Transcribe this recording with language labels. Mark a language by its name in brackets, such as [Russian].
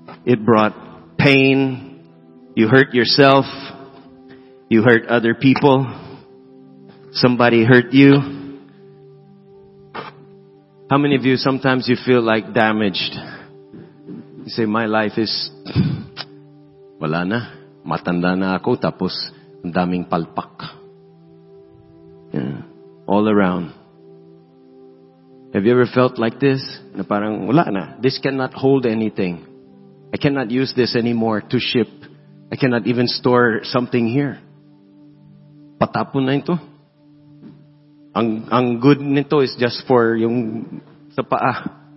[English] It brought pain. You hurt yourself. You hurt other people. Somebody hurt you. How many of you, sometimes you feel like damaged? You say, my life is [Filipino] wala na. Matanda na ako, tapos ang daming palpak. [English] Yeah. All around. Have you ever felt like this? [Filipino] Na parang, wala na. [English] This cannot hold anything. I cannot use this anymore to ship. I cannot even store something here. [Filipino] Patapon na ito. Ang good nito [English] is just for [Filipino] yung sa paa.